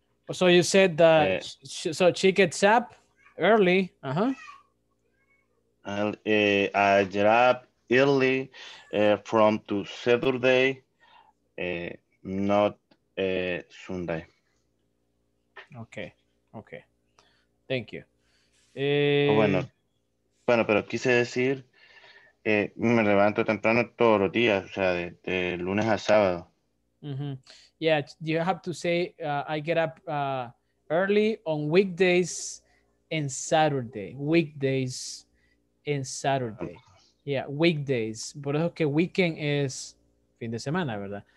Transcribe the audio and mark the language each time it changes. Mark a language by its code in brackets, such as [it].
[en] So you said that so she gets up early. I get up early from to Saturday, not Sunday. Okay. Thank you. [es] Bueno, pero quise decir, me levanto temprano todos los días, o sea, de lunes a sábado. Mm-hmm. [en] Yeah, you have to say I get up early on weekdays and Saturday. Weekdays and Saturday. Yeah, weekdays. [es] Por eso que weekend es fin de semana, ¿verdad?